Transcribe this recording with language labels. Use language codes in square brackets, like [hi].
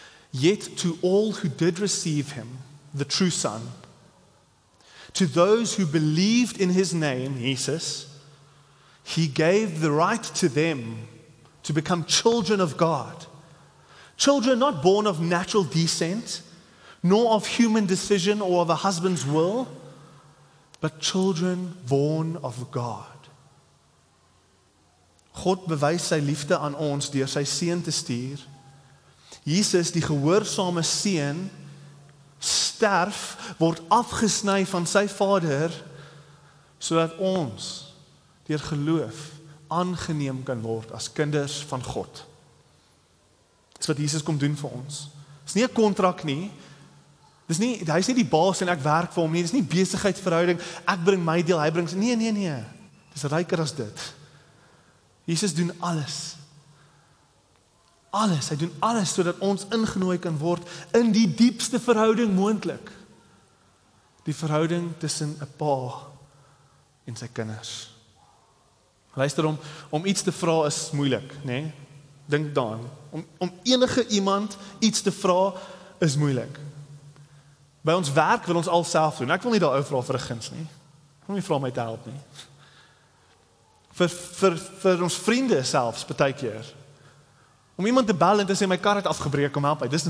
[en] Yet to all who did receive him, the true son, to those who believed in his name, Jesus, he gave the right to them to become children of God. Children not born of natural descent, nor of human decision or of a husband's will, but children born of God. [af] God bewys sy liefde aan ons deur sy seun te stuur. Jesus, die gehoorsame seun, sterf, word afgesny van sy vader, sodat ons deur geloof aangeneem kan word as kinders van God. Dis wat Jesus kom doen vir ons. Dis nie 'n kontrak nie. Dis nie, hy is nie die baas en ek werk vir hom nie. Dis nie besigheidsverhouding, ek bring my deel, hy bring sy. Nee. Dis ryker as dit. Jesus doen alles. Alles, hy doen alles sodat ons ingenooi kan word in die diepste verhouding moontlik. Die verhouding tussen 'n pa en sy kinders. Luister, om iets te vra is moeilik, né? Dink daaraan. Om enige iemand iets te vra is moeilik. By ons werk wil ons al self doen. Ek wil nie daarover vra vir 'n guns nie. Ek wil nie vra om my te help nie. Vir ons vriende selfs partykeer. Om iemand te bel en te sê my kar het afgebreek om help uit.